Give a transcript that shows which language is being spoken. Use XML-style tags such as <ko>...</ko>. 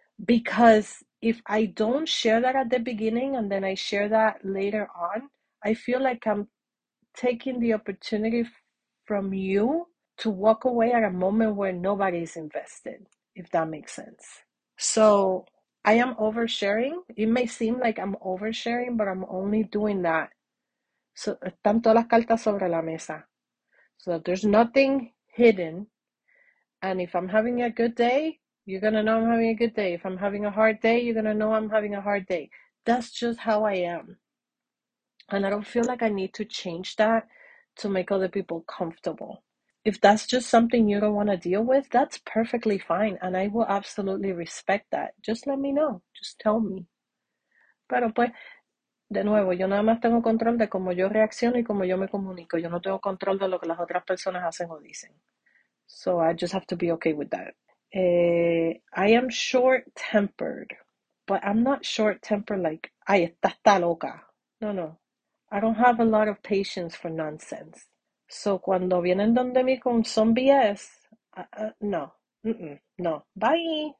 <en>Because if I don't share that at the beginning and then I share that later on, I feel like I'm taking the opportunity from you to walk away at a moment where nobody's invested, if that makes sense. So I am oversharing. It may seem like I'm oversharing, but I'm only doing that. So</en> <es>están todas las cartas sobre la mesa.</es> <en>So there's nothing hidden. And if I'm having a good day, you're gonna know I'm having a good day. If I'm having a hard day, you're gonna know I'm having a hard day. That's just how I am. And I don't feel like I need to change that to make other people comfortable. If that's just something you don't want to deal with, that's perfectly fine. And I will absolutely respect that. Just let me know. Just tell me.</en> <es>Pero pues, de nuevo, yo nada más tengo control de cómo yo reacciono y cómo yo me comunico. Yo no tengo control de lo que las otras personas hacen o dicen.</es> <en>So I just have to be okay with that. I am short-tempered, but I'm not short-tempered like,</en> <es>ay, está loca.</es> <en>No. I don't have a lot of patience for nonsense.</en> <es>So cuando vienen donde mí con</es> <en>some BS,</en> <es>no, no, bye.</es>